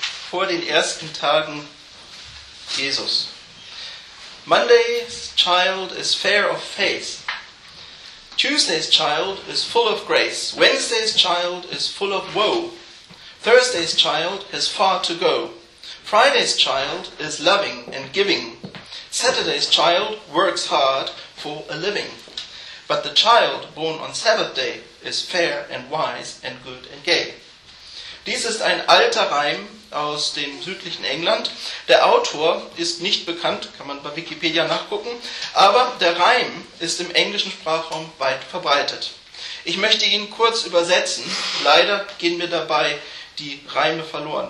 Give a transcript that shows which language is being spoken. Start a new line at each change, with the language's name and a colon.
German: vor den ersten Tagen Jesus.
English: Monday's child is fair of face. Tuesday's child is full of grace. Wednesday's child is full of woe. Thursday's child has far to go. Friday's child is loving and giving. Saturday's child works hard for a living. But the child born on Sabbath day is fair and wise and good and gay.
German: Dies ist ein alter Reim aus dem südlichen England. Der Autor ist nicht bekannt, kann man bei Wikipedia nachgucken, aber der Reim ist im englischen Sprachraum weit verbreitet. Ich möchte ihn kurz übersetzen. Leider gehen mir dabei die Reime verloren.